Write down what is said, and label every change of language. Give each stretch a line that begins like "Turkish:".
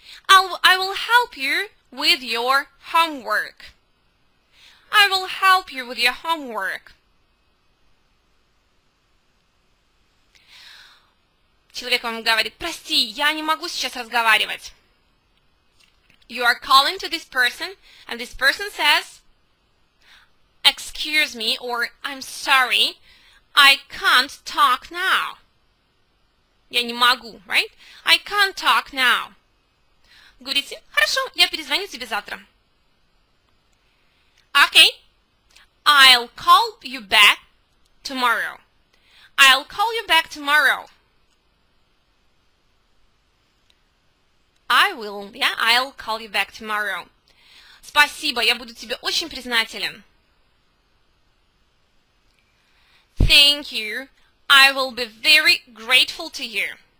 English: I will help you with your homework. I will help you with your homework.
Russian: Человек вам говорит, прости, я не могу сейчас разговаривать.
English: You are calling to this person, and this person says, excuse me, or I'm sorry, I can't talk now.
Russian: Я не могу,
English: right? I can't talk now.
Russian: Говорите, хорошо, я перезвоню тебе завтра.
English: Okay, I'll call you back tomorrow. I'll call you back tomorrow. I will, yeah, I'll call you back tomorrow.
Russian: Спасибо, я буду тебе очень признателен.
English: Thank you, I will be very grateful to you.